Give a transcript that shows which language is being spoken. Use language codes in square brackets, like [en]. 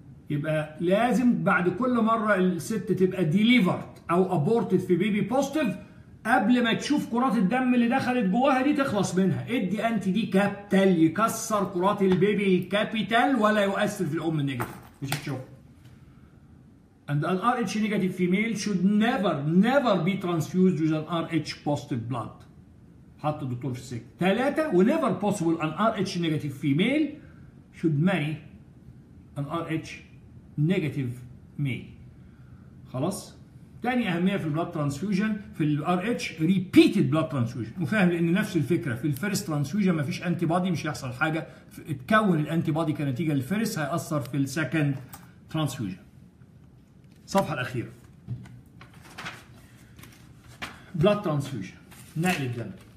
[ar] يبقى لازم بعد كل مره الست تبقى ديليفرد او ابورتد في بيبي بوزيتيف، قبل ما تشوف كرات الدم اللي دخلت جواها دي تخلص منها، ادي انتي دي كابيتال يكسر كرات البيبي الكابيتال ولا يؤثر في الام النيجاتيف، مش هتشوف. [en] And an Rh negative female should never, never be transfused with an Rh positive blood. [ar] حط الدكتور في السكة. ثلاثة، [en] whenever possible an Rh negative female should marry an Rh negative male. [ar] خلاص؟ تاني أهمية في blood transfusion في Rh، repeated blood transfusion. مفاهم، لأن نفس الفكرة في الفيرست transfusion ما فيش antibody، مش يحصل حاجة، اتكون الانتيبادي كنتيجة للفيرست، هيأثر في السكند transfusion. صفحة الأخيرة، blood transfusion، نقل الدم.